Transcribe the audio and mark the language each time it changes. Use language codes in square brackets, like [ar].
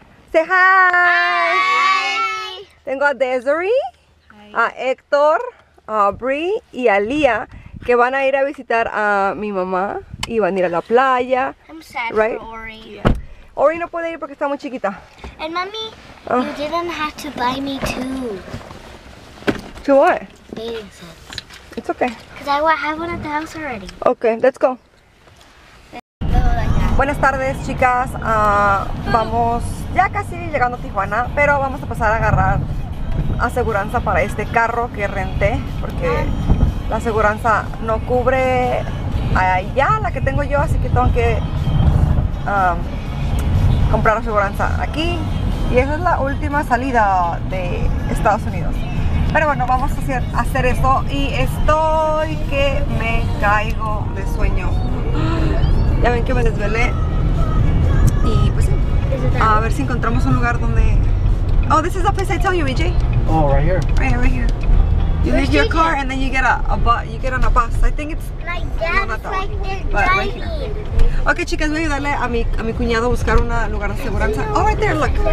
[en] Say hi. Hi. [es] Tengo a Desiree, a Héctor, a Brie y a Lia, que van a ir a visitar a mi mamá y van a ir a la playa. [en] I'm sad for Ori. Yeah. [es] Ori no puede ir porque está muy chiquita. [en] And mommy, you didn't have to buy me two. To what? Bathing suits. It's okay. Because I have one at the house already. Okay, let's go. [es] Buenas tardes, chicas. Vamos ya casi llegando a Tijuana, pero vamos a pasar a agarrar aseguranza para este carro que renté, porque la aseguranza no cubre allá la que tengo yo, así que tengo que comprar aseguranza aquí. Y esa es la última salida de Estados Unidos. Pero bueno, vamos a hacer esto y estoy que me caigo de sueño. Ya ven que me desvelé. Y pues sí, a ver si encontramos un lugar donde... [en] Oh, this is the place I tell you, BJ. Oh, right here. You leave your car and then you get on a bus. I think it's... My dad's driving. [es] Ok, chicas, voy a ayudarle a mi cuñado a buscar un lugar de seguridad. [en] Oh, right there, look.